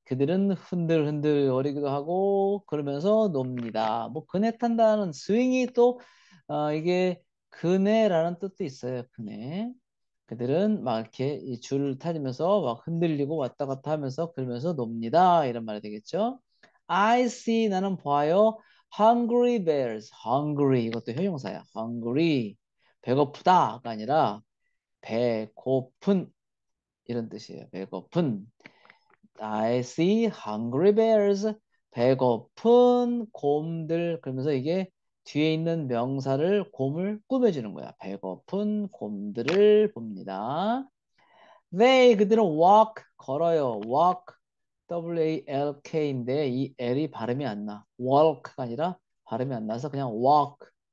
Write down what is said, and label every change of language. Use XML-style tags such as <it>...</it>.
<ko>그들은 흔들흔들 거리기도 하고 그러면서 놉니다. 뭐 그네 탄다는 스윙이 또 이게 그네라는 뜻도 있어요. 그네. 그들은 막 이렇게 줄을 타면서 막 흔들리고 왔다 갔다 하면서 그러면서 놉니다. 이런 말이 되겠죠?</ko> <en>I see.</en> <ko>나는 보아요.</ko> <en>Hungry bears, hungry</en> <ko>이것도 형용사야. Hungry 배고프다가 아니라 배고픈 이런 뜻이에요. 배고픈.</ko> <en>I see hungry bears,</en> <ko>배고픈 곰들. 그러면서 이게 뒤에 있는 명사를 곰을 꾸며주는 거야. 배고픈 곰들을 봅니다. They 그들은 walk 걸어요.</ko> <en>Walk.</en> <ko>walk인데 이 l이 발음이 안 나. walk가 아니라 발음이 안 나서 그냥 walk.</ko>